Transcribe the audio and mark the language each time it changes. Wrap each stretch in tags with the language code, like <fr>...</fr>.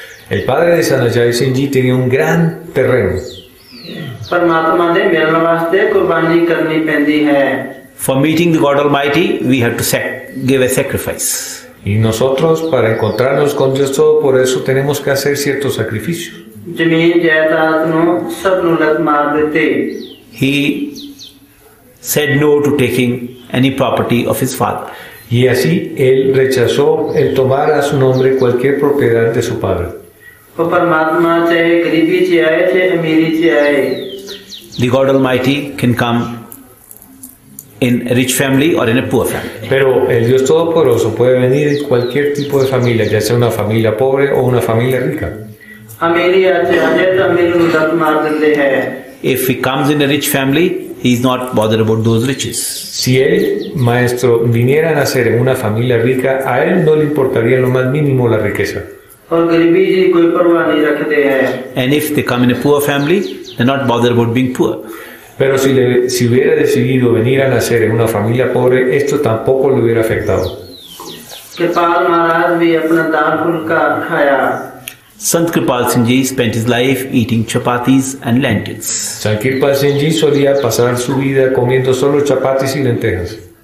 <es>El padre de Sant Ajay Singh Ji tenía un gran terreno.</es> <pa>Parmatma de milan vaste qurbani karni pendi hai.</pa> <en>For meeting the God Almighty, we have to give a sacrifice.</en> <es>Y nosotros, para encontrarnos con Dios todo, por eso tenemos que hacer ciertos sacrificios.</es> <pa>ਜ਼ਮੀਨ ਜਾਇਦਾਦ ਨੂੰ ਸਭ ਨੂੰ ਲੱਤ ਮਾਰ ਦਿੱਤੀ।</pa> <en>He said no to taking any property of his father.</en> <es>Y así él rechazó el tomar a su nombre cualquier propiedad de su padre.</es> <en>The God Almighty can come in a rich family or in a poor family.</en> <es>Pero el Dios Todopoderoso puede venir en cualquier tipo de familia, ya sea una familia pobre o una familia rica.</es> <en>If he comes in a rich family, he is not bothered about those riches.</en> <es>Si él, maestro, viniera a nacer en una familia rica, a él no le importaría en lo más mínimo la riqueza.</es> <en>And if they come in a poor family, they are not bothered about being poor.</en> <es>Pero si hubiera decidido venir a nacer en una familia pobre, esto tampoco le hubiera afectado.</es> <pa>Kripal Maharaj bhi apna daal phulka khaya.</pa> <en>Sant Kripal Singh Ji spent his life eating chapatis and lentils.</en> <es>Sant Kripal Singh Ji solía pasar su vida comiendo solo chapatis y lentejas.</es>